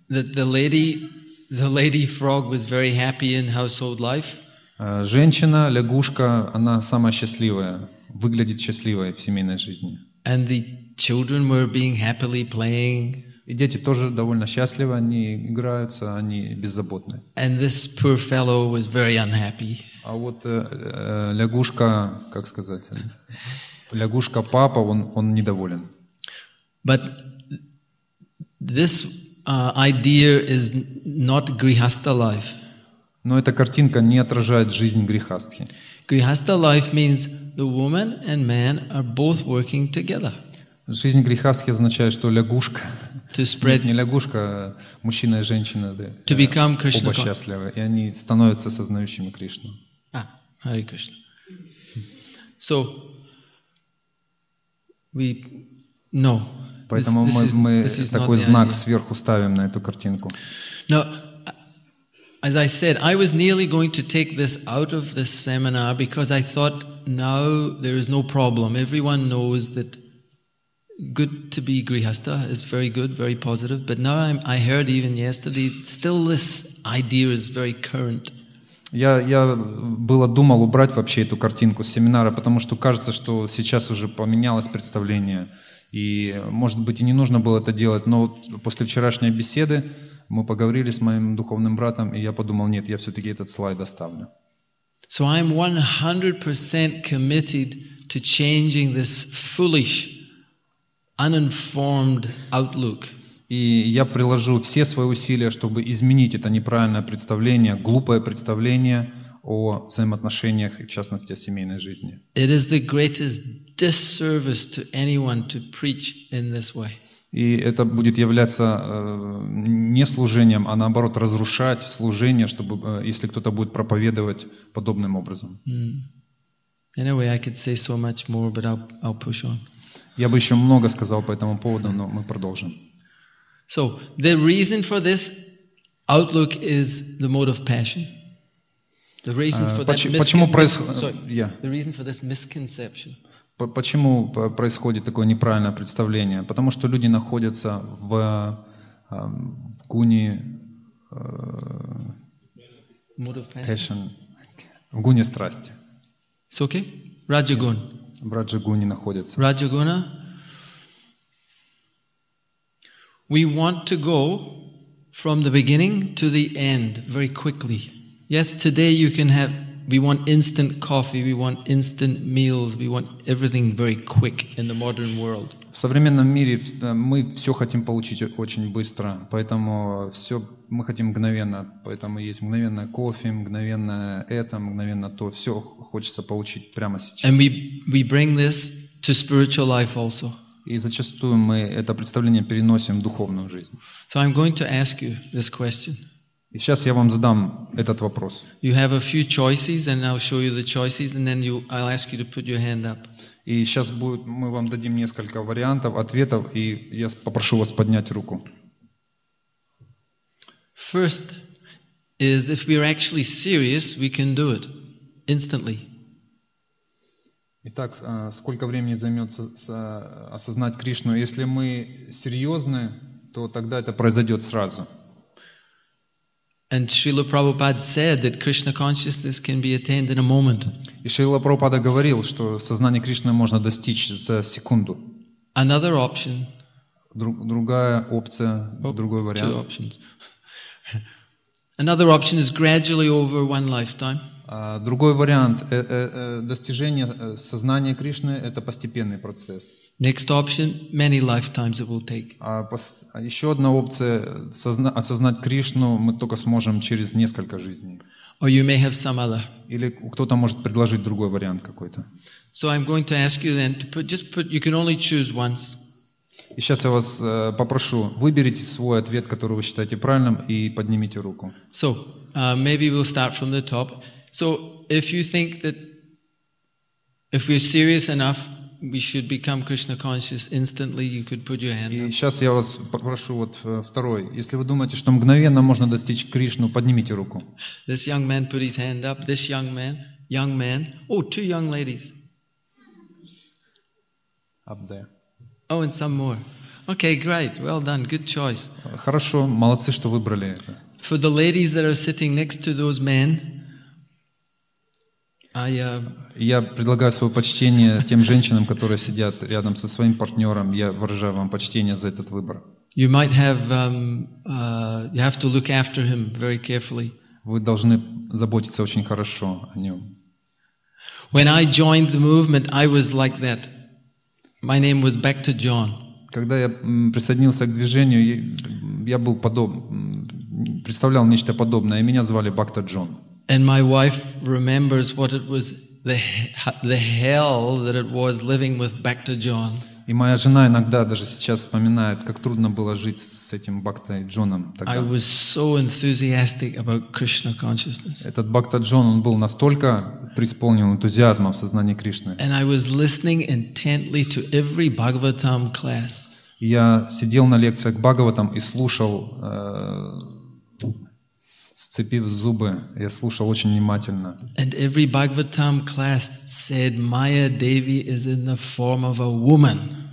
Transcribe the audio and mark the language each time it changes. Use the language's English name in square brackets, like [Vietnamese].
[English] That the lady frog was very happy in household life. [Russian] Женщина, лягушка, она самая счастливая, выглядит счастливой в семейной жизни. [English] And the children were being happily playing. [Russian] И дети тоже довольно счастливы, они играются, они беззаботны. [English] And this poor fellow was very unhappy. [Russian] А вот лягушка, как сказать, лягушка-папа, он недоволен. [English] But this idea is not grihastha life. [Russian] Но эта картинка не отражает жизнь грихастхи. [English] Grihastha life means the woman and man are both working together. [Russian] Жизнь грихастхи означает, что лягушка, [English] to spread, [Russian] не лягушка, мужчина и женщина, да, [English] to become Krishna, [Russian] оба счастливы, и они становятся сознающими Кришну. [English] Hare Krishna. So, we know. [Russian] Поэтому [English] this [Russian] такой знак сверху ставим на эту картинку. [English] No. As I said, I was nearly going to take this out of this seminar because I thought now there is no problem. Everyone knows that good to be grihastha is very good, very positive. But now I heard even yesterday, still this idea is very current. [Russian] Я было думал убрать вообще эту картинку с семинара, потому что кажется, что сейчас уже поменялось представление. И может быть и не нужно было это делать, но после вчерашней беседы мы поговорили с моим духовным братом, и я подумал, нет, я все-таки этот слайд оставлю. [English] So I'm 100% committed to changing this foolish, uninformed outlook. [Russian] И я приложу все свои усилия, чтобы изменить это неправильное представление, глупое представление о взаимоотношениях, и в частности, о семейной жизни. [English] It is the greatest disservice to anyone to preach in this way. [Russian] И это будет являться не служением, а наоборот разрушать служение, чтобы если кто-то будет проповедовать подобным образом. [English] Anyway, I could say so much more, but I'll push on. [Russian] Я бы еще много сказал по этому поводу, но мы продолжим. [English] So the reason for this outlook is the mode of passion. The reason for the reason for this misconception. [Russian] Почему происходит такое неправильное представление? Потому что люди находятся в гуне [English] passion, [Russian] в гуне страсти. [English] It's okay. Раджа-гун. [Russian] В раджа-гуне находятся. Раджа-гуна. [English] We want to go from the beginning to the end very quickly. Yes, today you can have. We want instant coffee, we want instant meals, we want everything very quick in the modern world. [Russian] В современном мире мы все хотим получить очень быстро, поэтому все мы хотим мгновенно, поэтому есть мгновенное кофе, мгновенное это, мгновенно то, все хочется получить прямо сейчас. [English] And we bring this to spiritual life also. [Russian] И зачастую мы это представление переносим в духовную жизнь. [English] So I'm going to ask you this question. [Russian] И сейчас я вам задам этот вопрос. [English] You have a few choices, and I'll show you the choices, and then I'll ask you to put your hand up. [Russian] И сейчас будет, мы вам дадим несколько вариантов ответов, и я попрошу вас поднять руку. [English] First is if we're actually serious, we can do it instantly. [Russian] Итак, сколько времени займет осознать Кришну? Если мы серьезны, то тогда это произойдет сразу. [English] And Srila Prabhupada said that Krishna consciousness can be attained in a moment. [Russian] И Шрила Прабхупада говорил, что сознание Кришны можно достичь за секунду. [English] Another option. [Russian] Другая опция, другой вариант. [English] Two options. Another option is gradually over one lifetime. [Russian] Другой вариант достижения сознания Кришны – это постепенный процесс. [English] Next option, many lifetimes it will take. [Russian] Еще одна опция – осознать Кришну мы только сможем через несколько жизней. [English] Or you may have some other. [Russian] Или кто-то может предложить другой вариант какой-то. [English] So I'm going to ask you then to put, just put, you can only choose once. [Russian] И сейчас я вас попрошу, выберите свой ответ, который вы считаете правильным, и поднимите руку. [English] So, maybe we'll start from the top. So, if you think that if we're serious enough, we should become Krishna conscious instantly, you could put your hand up. [Russian] И сейчас я вас попрошу вот второй. Если вы думаете, что мгновенно можно достичь Кришну, поднимите руку. [English] This young man put his hand up. This young man, young man. Oh, two young ladies. Up there. Oh, and some more. Okay, great. Well done. Good choice. [Russian] Хорошо, молодцы, что выбрали это. [English] For the ladies that are sitting next to those men. [Russian] Я предлагаю свое почтение тем женщинам, которые сидят рядом со своим партнером. Я выражаю вам почтение за этот выбор. [English] You might have, you have to look after him very carefully. [Russian] Вы должны заботиться очень хорошо о нем. [English] When I joined the movement, I was like that. My name was Back to John. [Russian] Когда я присоединился к движению, я был представлял нечто подобное. Меня звали Back to John. [English] And my wife remembers what it was, the hell that it was living with Bhakta John. [Russian] И моя жена иногда даже сейчас вспоминает, как трудно было жить с этим Бхактой Джоном тогда. [English] I was so enthusiastic about Krishna consciousness. [Russian] Этот Бхакта Джон, он был настолько преисполнен энтузиазма в сознании Кришны. [English] And I was listening intently to every Bhagavatam class. [Russian] Я сидел на лекциях Бхагаватам и слушал. Сцепив зубы, я слушал очень внимательно. [English] And every Bhagavatam class said Maya Devi is in the form of a woman.